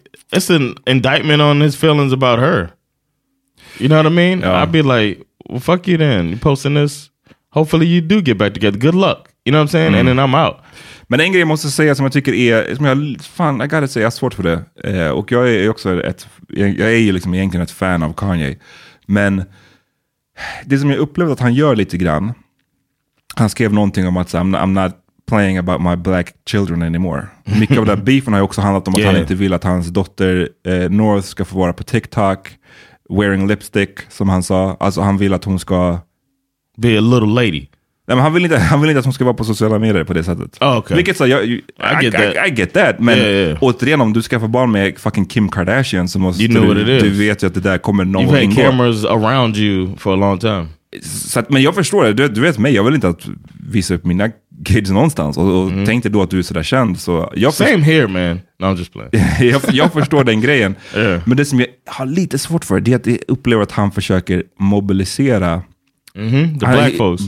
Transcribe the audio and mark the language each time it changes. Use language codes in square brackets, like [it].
[en] It's an indictment on his feelings about her. You know what I mean? Yeah. I'd be like, well, fuck you then. You're posting this. Hopefully you do get back together. Good luck. You know what I'm saying? Mm. And then I'm out. [sv] Men en grej jag måste säga som jag tycker är, som jag, fan, [en] I gotta say, [sv] jag har svårt för det. Och jag är också jag är ju liksom egentligen ett fan av Kanye. Men det som jag upplevde att han gör lite grann, han skrev någonting om att [en] I'm not playing about my black children anymore. [sv] Mycket av den beefen har ju också handlat om att han inte vill att hans dotter North ska få vara på TikTok, [en] wearing lipstick, [sv] som han sa. Alltså han vill att hon ska... [en] Be a little lady. [sv] Nej, men han vill inte att hon ska vara på sociala medier på det sättet. [en] Oh, okay. [sv] Vilket så, [en] I get that. [sv] Men återigen, om du ska få barn med fucking Kim Kardashian, så måste du vet ju att det där kommer någon gång. [en] You've had cameras around you for a long time. [sv] Så, men jag förstår det. Du vet mig, jag vill inte att visa upp mina kids någonstans. Och tänk dig då att du är sådär känd. Så jag [en] same here, man. No, I'm just playing. [sv] jag förstår den grejen. Yeah. Men det som jag har lite svårt för det är att jag upplever att han försöker mobilisera... [en] Mm-hmm. The black folks.